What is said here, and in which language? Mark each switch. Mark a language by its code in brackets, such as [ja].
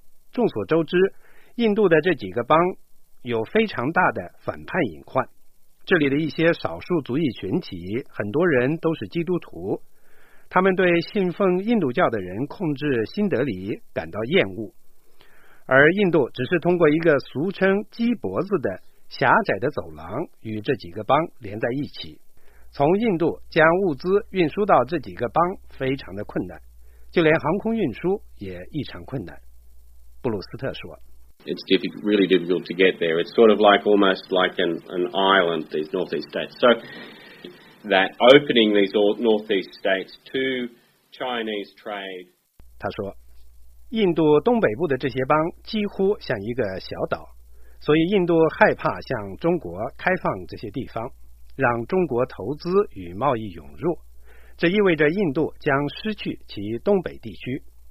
[zh] 众所周知，印度的这几个邦有非常大的反叛隐患，这里的一些少数族裔群体很多人都是基督徒，他们对信奉印度教的人控制新德里感到厌恶，而印度只是通过一个俗称鸡脖子的狭窄的走廊与这几个邦连在一起。从印度将物资运输到这几个邦非常的困难，就连航空运输也异常困难。布鲁斯特说， [en] It's difficult, really difficult to get there. It's sort of like almost like an island, these northeast states. So,That opening these northeast states to Chinese trade. [zh] 他说，印度东北部的这些邦几乎像一个小岛，所以印度害怕向中国开放这些地方，让中国投资与贸易涌入，这意味着印度将失去其东北地区。